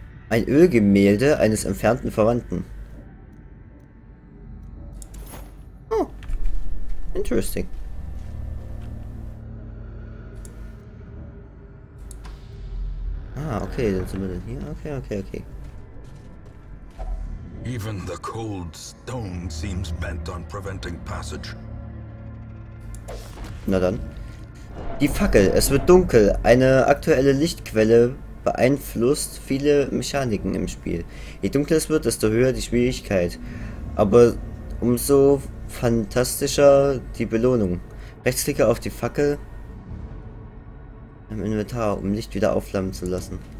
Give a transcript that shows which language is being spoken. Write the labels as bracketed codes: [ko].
[de] Ein Ölgemälde eines entfernten Verwandten. [en] Oh. Interesting. [de] Ah, okay, dann sind wir dann hier. Okay. [en] Even the cold stone seems bent on preventing passage. [de] Na dann. Die Fackel, es wird dunkel. Eine aktuelle Lichtquelle beeinflusst viele Mechaniken im Spiel. Je dunkler es wird, desto höher die Schwierigkeit. Aber umso fantastischer die Belohnung. Rechtsklicke auf die Fackel im Inventar, um Licht wieder aufflammen zu lassen.